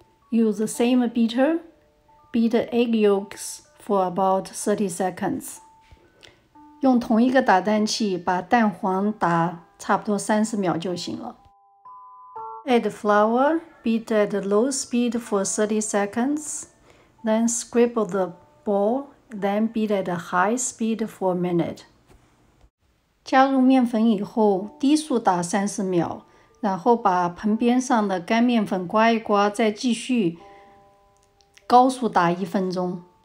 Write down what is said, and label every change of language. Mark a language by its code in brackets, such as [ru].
[en] Use the same beater, beat egg yolks for about 30 seconds. [zh] 用同一个打蛋器把蛋黄打差不多30秒就行了。 [en] Add flour, beat at low speed for 30 seconds, then scrape the ball, then beat at high speed for a minute. [zh] 加入面粉以后低速打30秒。然后把盆边上的干面粉刮一刮，再继续高速打一分钟。